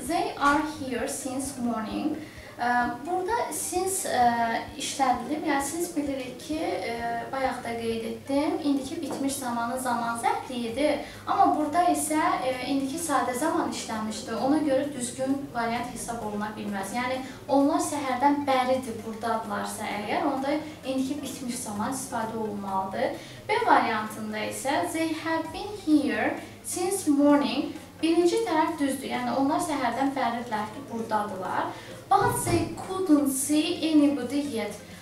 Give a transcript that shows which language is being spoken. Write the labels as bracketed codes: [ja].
[en] They are here since morning. [az] Burada since işlədilib, yəni siz bilirik ki, bayaq da qeyd etdim, indiki bitmiş zamanın zaman zəhvliyidir. Amma burada isə indiki sadə zaman işlənmişdir. Ona görə düzgün variant hesab oluna bilməz. Yəni, onlar səhərdən bəridir buradadırlarsa əgər, onda indiki bitmiş zaman istifadə olunmalıdır. B variantında isə [en] they have been here since morning. [az] Birinci tərəf düzdür, yəni onlar səhərdən bəridirlər ki, buradadırlar. [en] But they couldn't see anybody yet.